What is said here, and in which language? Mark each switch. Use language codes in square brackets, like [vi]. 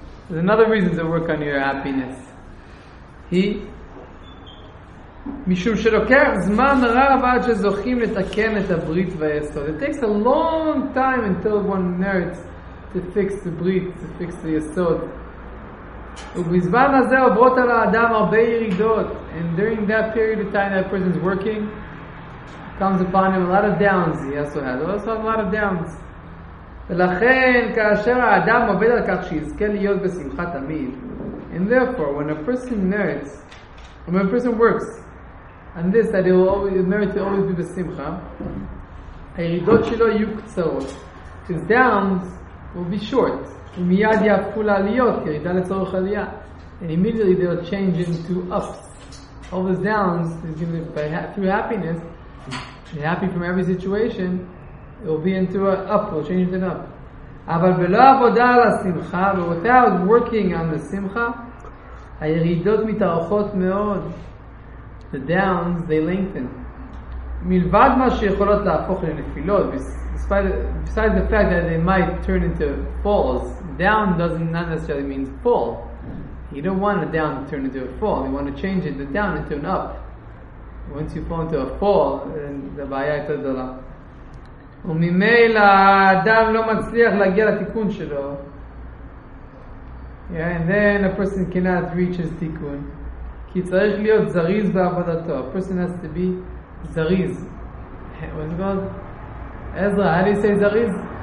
[en] There's another reason to work on your happiness. [he] היא משום שלוקח זמן רב עד שזוכים לתקן את הברית והיסוד. [en] It takes a long time until one merits to fix the brit, to fix the yesod. [he] ובזמן הזה עוברות על האדם הרבה ירידות. [en] And during that period of time that person is working, comes upon him a lot of downs. He also has also a lot of downs. [he] ולכן כאשר האדם עובד על כך שיזכה להיות בשמחה תמיד. [en] And therefore, when a person merits, when a person works, and this, that he will always merit to always be besimcha, [he] הירידות שלו יהיו קצרות. [en] His downs will be short. [he] ומיד יהפכו לעליות, ירידה לצורך עלייה. [en] And immediately they will change into ups. All those downs, through happiness, and happy from every situation, it will be into an up, it will change into an up. [he] אבל בלא עבודה על השמחה, [en] but without working on the simcha, [he] הירידות מתארכות מאוד. [en] The downs, they lengthen. [he] מלבד מה שיכולות להפוך לנפילות, [en] besides the fact that they might turn into falls, down doesn't not necessarily mean fall. You don't want a down to turn into a fall. You want to change it, the down into an up. Once you fall into a fall, then the [he] בעיה יותר גדולה. וממילא האדם לא מצליח להגיע לתיקון שלו. [en] Yeah, and then a person cannot reach his תיקון. [he] כי צריך להיות זריז בעבודתו. [en] A person has to be זריז. What's it called? Ezra, how do you say זריז?